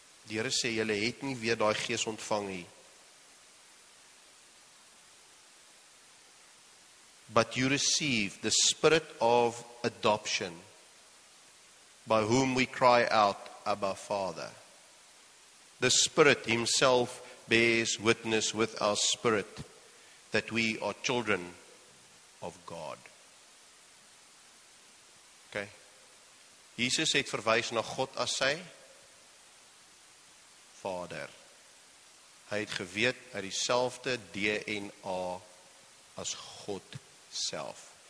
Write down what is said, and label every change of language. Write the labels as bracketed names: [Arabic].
[Afrikaans] Die Here sê julle het nie weer daai gees ontvang nie. [English] But you receive the spirit of adoption by whom we cry out, Abba, Father. The Spirit himself bears witness with our spirit that we are children of God. Okay. [Afrikaans] Jesus het verwys na God as sy Vader. Hy het geweet uit dieselfde DNA as God self.